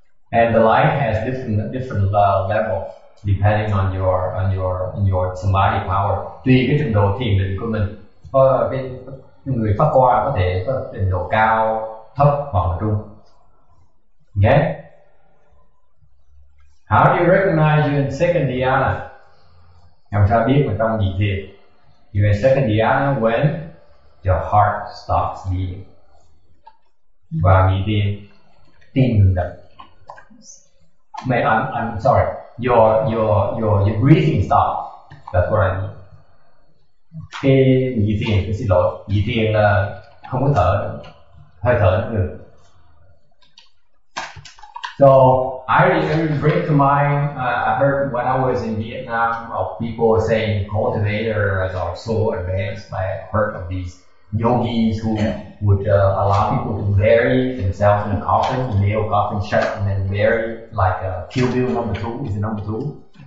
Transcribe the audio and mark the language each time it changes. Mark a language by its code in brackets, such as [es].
[en] And the light has different levels depending on your samadhi power. [vi] Tùy cái trình độ thiền định của mình. Người phát qua có thể có trình độ cao, thấp hoặc là trung. [en] Okay? How do you recognize you in second dhyana? [vi] Làm sao biết mà trong nhị thiền? [en] You in second dhyana when your heart stops beating. [vi] Và nhị thiền tim ngừng đập. [en] I'm sorry. Your breathing stops. That's what I mean. [vi] Khi nhị thiền, tôi xin lỗi, nhị thiền là không có thở, hơi thở nó ngừng. [en] So I bring to mind, I heard when I was in Vietnam of people saying cultivators are so advanced. I heard of these yogis who would allow people to bury themselves in a coffin, the nail coffin shut, and then bury like a Kill Bill number 2. Is it number 2?